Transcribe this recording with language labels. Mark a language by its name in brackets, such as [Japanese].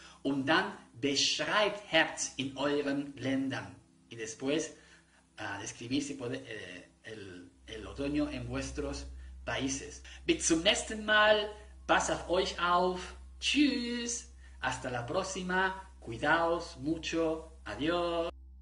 [German] Und dann beschreibt Herz in euren Ländern. [Spanish] Y después, describir si puede, el otoño en vuestros países. [German] Bis zum nächsten Mal, pass auf euch auf, tschüss, [Spanish] hasta la próxima, cuidaos mucho, adiós.